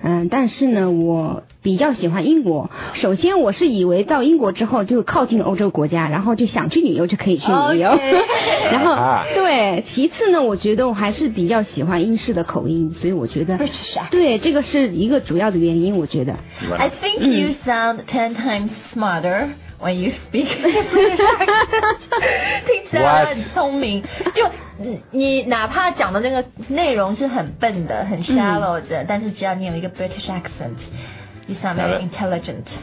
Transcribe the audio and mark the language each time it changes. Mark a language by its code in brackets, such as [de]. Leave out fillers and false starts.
[zh] 但是呢，我比较喜欢英国。首先，我是以为到英国之后就靠近欧洲国家，然后就想去旅游就可以去旅游。 [en] Okay. [zh] 然后对，其次呢我觉得我还是比较喜欢英式的口音，所以我觉得对，这个是一个主要的原因。我觉得 [en] I think you sound 10 times smarter when you speak English. [zh] 听起来很聪明，就你哪怕讲的那个内容是很笨的很 shallow 的，但是只要你有一个 [en] British accentYou sound very intelligent.